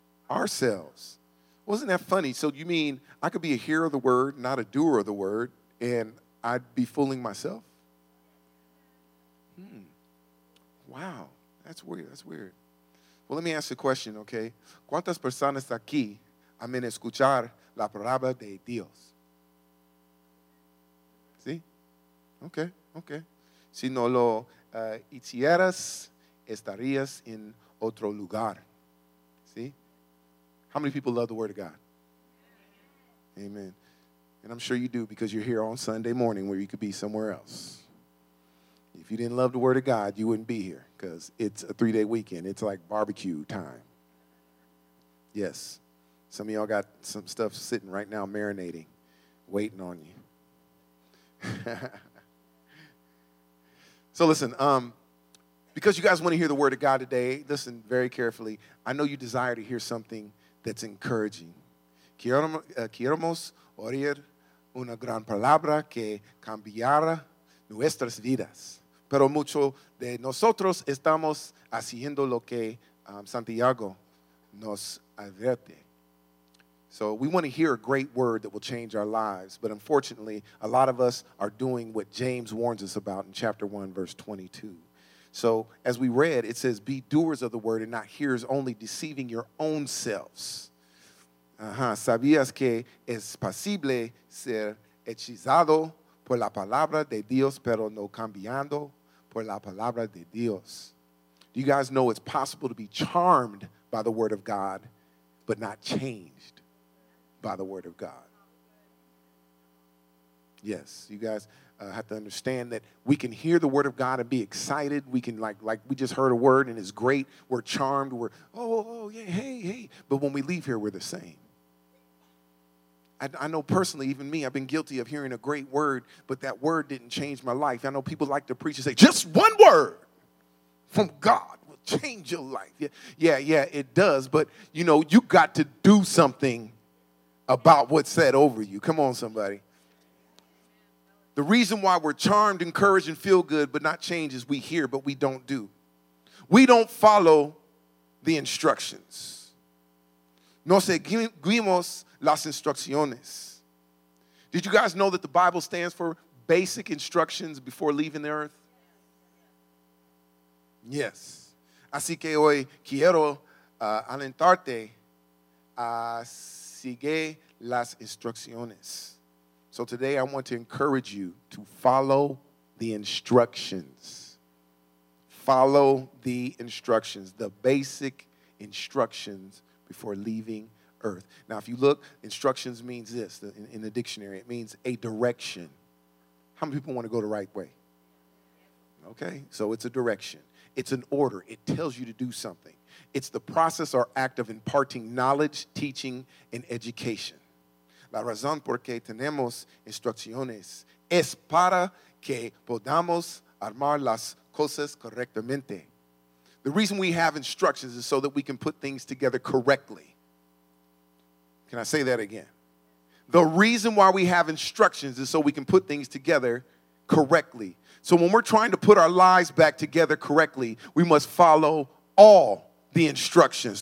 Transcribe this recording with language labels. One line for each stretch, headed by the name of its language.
English: Ourselves. Wasn't that funny? So you mean I could be a hearer of the word, not a doer of the word, and I'd be fooling myself? Wow. That's weird. Well, let me ask you a question, okay?
Spanish: ¿Cuántas personas aquí amen escuchar la palabra de Dios? ¿Sí? Okay. Si no lo hicieras, estarías en otro lugar. ¿Sí?
English: How many people love the word of God? Amen. And I'm sure you do because you're here on Sunday morning where you could be somewhere else. If you didn't love the word of God, you wouldn't be here because it's a three-day weekend. It's like barbecue time. Yes. Some of y'all got some stuff sitting right now marinating, waiting on you. So listen, because you guys want to hear the word of God today, listen very carefully. I know you desire to hear something that's encouraging.
Spanish: Queremos oír una gran palabra que cambiara nuestras vidas. Pero mucho de nosotros estamos haciendo lo que Santiago nos advierte.
English: So we want to hear a great word that will change our lives. But unfortunately, a lot of us are doing what James warns us about in chapter 1, verse 22. So as we read, it says, be doers of the word and not hearers only, deceiving your own selves.
Spanish: ¿Sabías que es posible ser hechizado por la palabra de Dios, pero no cambiando por la palabra de Dios?
English: Do you guys know it's possible to be charmed by the word of God, but not changed by the word of God? Yes, you guys have to understand that we can hear the word of God and be excited. We can, like we just heard a word and it's great. We're charmed. We're, hey. But when we leave here, we're the same. I know personally, even me, I've been guilty of hearing a great word, but that word didn't change my life. I know people like to preach and say, just one word from God will change your life. Yeah, it does. But, you know, you got to do something about what's said over you. Come on, somebody. The reason why we're charmed, encouraged, and feel good, but not change, is we hear, but we don't do. We don't follow the instructions.
Spanish: No seguimos las instrucciones.
English: Did you guys know that the Bible stands for basic instructions before leaving the earth? Yes.
Spanish: Así que hoy quiero alentarte a seguir las instrucciones.
English: So today I want to encourage you to follow the instructions. Follow the instructions, the basic instructions before leaving earth. Now, if you look, instructions means this in the dictionary. It means a direction. How many people want to go the right way? Okay, so it's a direction. It's an order. It tells you to do something. It's the process or act of imparting knowledge, teaching, and education.
Spanish: La razón por qué tenemos instrucciones es para que podamos armar las cosas correctamente.
English: The reason we have instructions is so that we can put things together correctly. Can I say that again? The reason why we have instructions is so we can put things together correctly. So when we're trying to put our lives back together correctly, we must follow all the instructions.